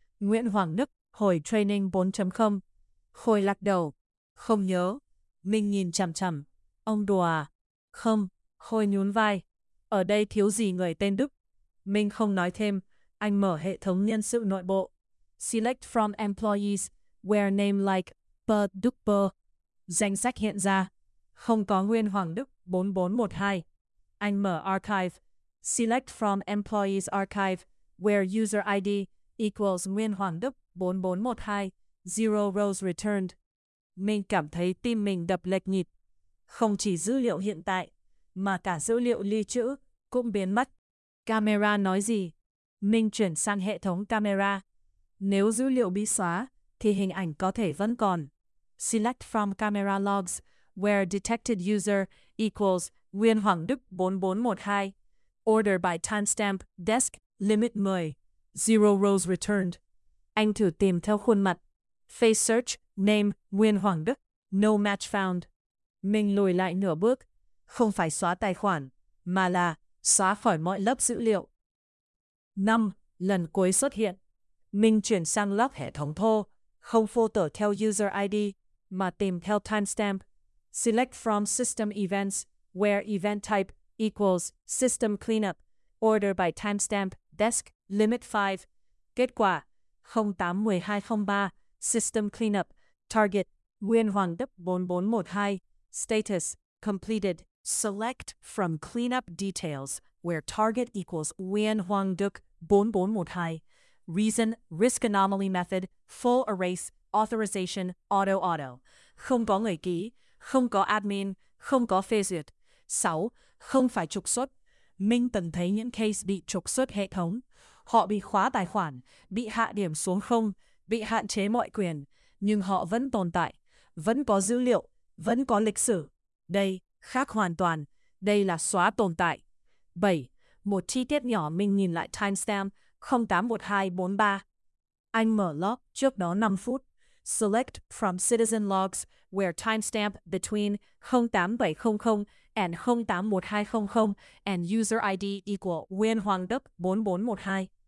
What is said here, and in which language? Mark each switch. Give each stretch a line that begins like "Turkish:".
Vietnamese: Nguyễn Hoàng Đức, hồi training 4.0. Khôi lắc đầu. Không nhớ. Mình nhìn chằm chằm. Ông đùa à? Không. Khôi nhún vai. Ở đây thiếu gì người tên Đức? Mình không nói thêm. Anh mở hệ thống nhân sự nội bộ.
English: Select from employees, where name like Bơ Đức Bơ.
Vietnamese: Danh sách hiện ra. Không có Nguyên Hoàng Đức, 4412. Anh mở archive.
English: Select from employees archive, where user ID equals Nguyên Hoàng Đức, 4412. Zero rows returned.
Vietnamese: Mình cảm thấy tim mình đập lệch nhịp. Không chỉ dữ liệu hiện tại, mà cả dữ liệu lưu trữ cũng biến mất. Camera nói gì? Mình chuyển sang hệ thống camera. Nếu dữ liệu bị xóa, thì hình ảnh có thể vẫn còn.
English: Select from camera logs, where detected user equals Nguyên Hoàng Đức, 4412. Order by timestamp, desk, limit 10. Zero rows returned.
Vietnamese: Anh thử tìm theo khuôn mặt.
English: Face search, name, Nguyên Hoàng Đức, no match found.
Vietnamese: Mình lùi lại nửa bước. Không phải xóa tài khoản, mà là xóa khỏi mọi lớp dữ liệu. 5. Lần cuối xuất hiện. Mình chuyển sang log hệ thống thô, không filter theo user ID, mà tìm theo timestamp.
English: Select from system events, where event type equals system cleanup, order by timestamp, desk, limit 5. Kết quả, 08-12-03, system cleanup, target, Nguyên Hoàng Đức, 4412, status, completed. Select from cleanup details, where target equals Nguyên Hoàng Đức, 4412, reason, risk anomaly method, full erase, authorization, auto.
Vietnamese: Không có người ký, không có admin, không có phê duyệt. 6. Không phải trục xuất. Minh từng thấy những case bị trục xuất hệ thống. Họ bị khóa tài khoản, bị hạ điểm xuống không, bị hạn chế mọi quyền, nhưng họ vẫn tồn tại, vẫn có dữ liệu, vẫn có lịch sử. Đây, khác hoàn toàn, đây là xóa tồn tại. 7. Một chi tiết nhỏ mình nhìn lại timestamp 081243. Anh mở log trước đó 5 phút.
English: Select from citizen logs where timestamp between 08700 and 081200 and user ID equal Nguyễn Hoàng Đức 4412.